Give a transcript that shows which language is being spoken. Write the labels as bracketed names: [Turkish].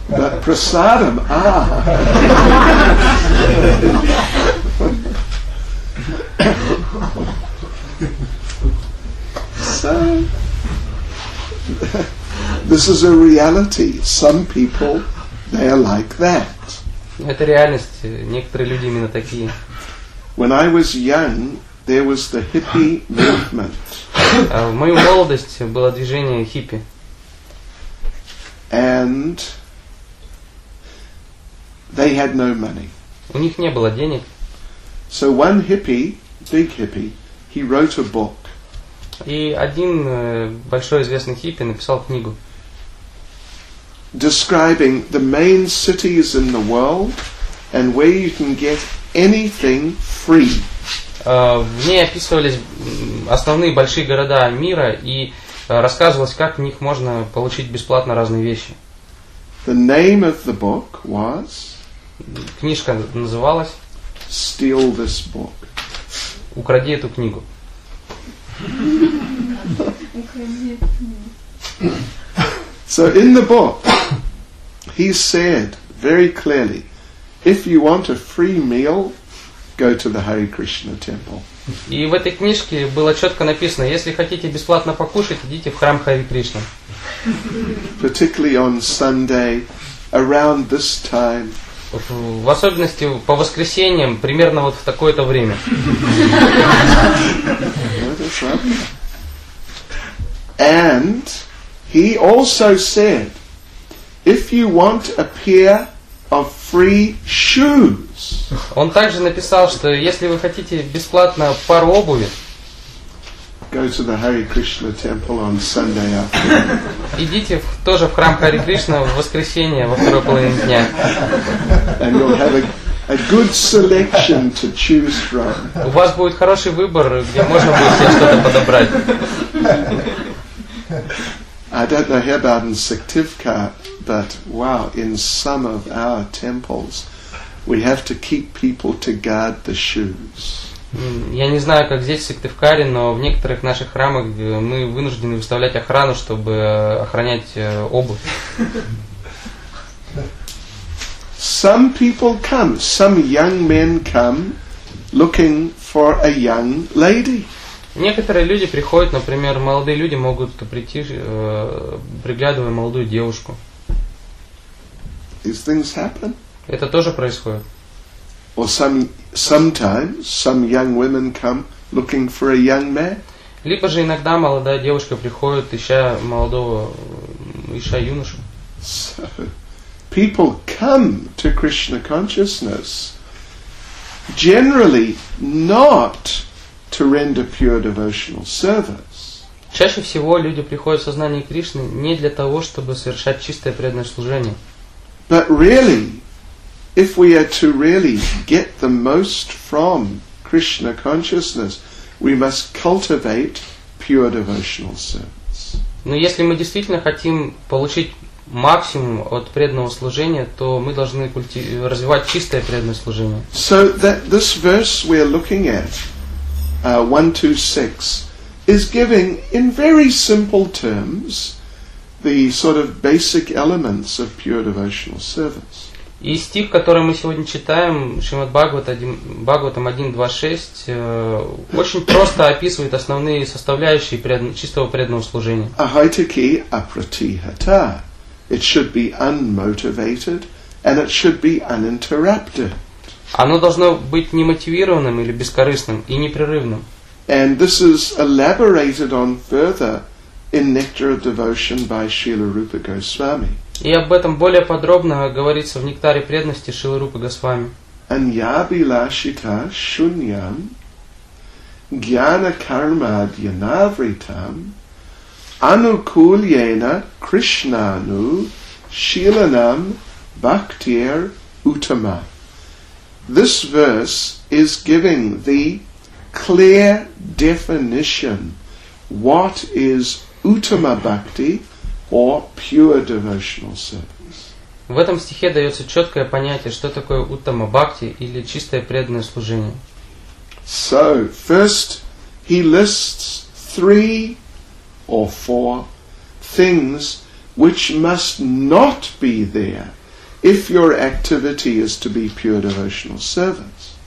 [English] But prasadam, So, this is a reality. Some people, they are like that. [Russian] Это реальность. Некоторые люди именно такие. [English] When I was young, there was the hippie movement. [Russian] В мою молодость было движение хиппи. [English] And they had no money. [Russian] У них не было денег. [English] So one hippie, big hippie, he wrote a book. [Russian] И один большой известный хиппи написал книгу. [English] Describing the main cities in the world and where you can get anything free. [Russian] В ней описывались основные большие города мира и рассказывалось, как в них можно получить бесплатно разные вещи. [English] The name of the book was. [Russian] Книжка называлась. [English] Steal this book. [Russian] Укради эту книгу. [English] So in the book, he said very clearly, if you want a free meal, go to the Hare Krishna temple. [Russian] И в этой книжке было четко написано, если хотите бесплатно покушать, идите в храм Хари Кришна. [English] Particularly on Sunday, around this time. [Russian] В особенности по воскресеньям, примерно вот в такое-то время. [English] And he also said, if you want a pair of free shoes. [Russian] Он также написал, что если вы хотите бесплатно пару обуви. [English] go to the Hare Krishna temple on Sunday afternoon. [Russian] Идите тоже в храм Хари Кришна в воскресенье во второй половине дня. [English] And you'll have a good selection to choose from. [Russian] У вас будет хороший выбор, где можно будет себе что-то подобрать. [English] I don't know here about in Siktivkat, but wow, in some of our temples, we have to keep people to guard the shoes. [Russian] Я не знаю, как здесь, в Сыктывкаре, но в некоторых наших храмах мы вынуждены выставлять охрану, чтобы охранять обувь. [English] Some people come, some young men come looking for a young lady. [Russian] Некоторые люди приходят, например, молодые люди могут прийти, приглядывая молодую девушку. [English] These things happen. [Russian] Это тоже происходит. [English] Or sometimes some young women come looking for a young man. [Russian] Либо же иногда молодая девушка приходит, ища молодого, ища юношу. [English] So, people come to Krishna consciousness generally not to render pure devotional service. [Russian] Чаще всего люди приходят в сознание Кришны не для того, чтобы совершать чистое преданное служение. [English] But really, if we are to really get the most from Krishna consciousness, we must cultivate pure devotional service. [Russian] Но если мы действительно хотим получить максимум от преданного служения, то мы должны развивать чистое преданное служение. [English] So that this verse we are looking at, 1:2:6, is giving in very simple terms the sort of basic elements of pure devotional service. [Russian] И стих, который мы сегодня читаем, Шримад Бхагаватам 1.2.6, очень просто описывает основные составляющие чистого преданного служения. [Sanskrit] Ахайтики апратихата. [English] It should be unmotivated and it should be uninterrupted. [Russian] Оно должно быть немотивированным или бескорыстным и непрерывным. [English] And this is elaborated on further in Nectar of Devotion by Srila Rupa Goswami. [Russian] И об этом более подробно говорится в «Нектаре преданности» Шрилы Рупы Госвами. [Sanskrit] «Аньябилашита шуньям гьяна кармадьянавритам анукульена кришнану шиланам бхактир утама». [English] This verse is giving the clear definition what is utama bhakti or pure devotional service. [Russian] В этом стихе дается четкое понятие, что такое уттама бхакти или чистое преданное служение. [English] So, first he lists three or four things which must not be there if your activity is to be pure devotional service.